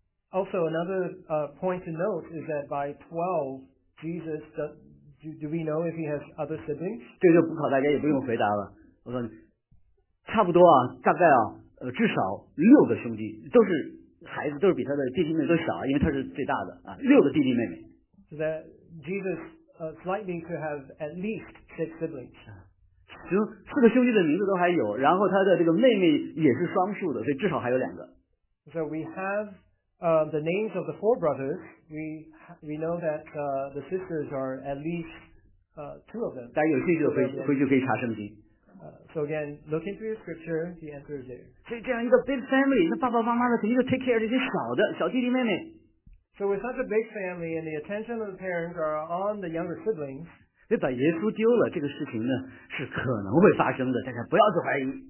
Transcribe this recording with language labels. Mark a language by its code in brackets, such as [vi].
[en] Also another point to note is that by 12, Jesus the,Do we know if he has other siblings? [zh] 这就不考大家，也不用回答了。我说，差不多啊，大概啊，至少六个兄弟，都是孩子，都是比他的弟弟妹妹都小，因为他是最大的啊，六个弟弟妹妹。 [en] So that Jesus is likely to have at least 6 siblings. [zh] 行，四个兄弟的名字都还有，然后他的这个妹妹也是双数的，所以至少还有两个。 [en] So we have the names of the 4 brothers. We know that the sisters are at least 2 of them. [zh] 大家有兴趣的回去可以查圣经。 [en] So again, look into your scripture, the answer is there. [zh] 所以这样一个 [en] big family, [zh] 那爸爸妈妈的肯定就 [en] take care [zh] 这些小的小弟弟妹妹。 [en] So with such a big family and the attention of the parents are on the younger siblings, [zh] 所以把耶稣丢了这个事情呢是可能会发生的，大家不要去怀疑。